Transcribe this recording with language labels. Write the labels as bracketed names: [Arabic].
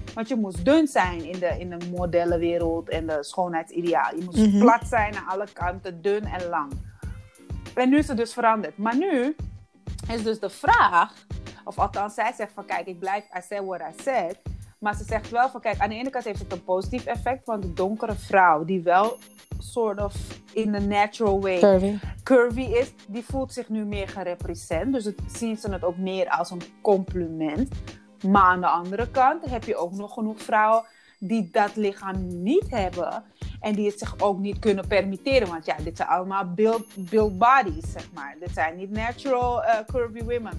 [Dutch] Want je moest dun zijn in de modellenwereld en de schoonheidsideaal. Je moest plat zijn aan alle kanten, dun en lang. En nu is het dus veranderd. Maar nu is dus de vraag... of althans, zij zegt van... kijk, ik blijf, [English] I said what I said. [Dutch] Maar ze zegt wel van... kijk, aan de ene kant heeft het een positief effect... want de donkere vrouw die wel... [English] sort of in the natural way curvy [Dutch] is, die voelt zich nu meer gerepresent. Dus het, zien ze het ook meer als een compliment. Maar aan de andere kant heb je ook nog genoeg vrouwen die dat lichaam niet hebben en die het zich ook niet kunnen permitteren. Want ja, dit zijn allemaal build bodies, zeg maar. Dit zijn niet [English] natural curvy women.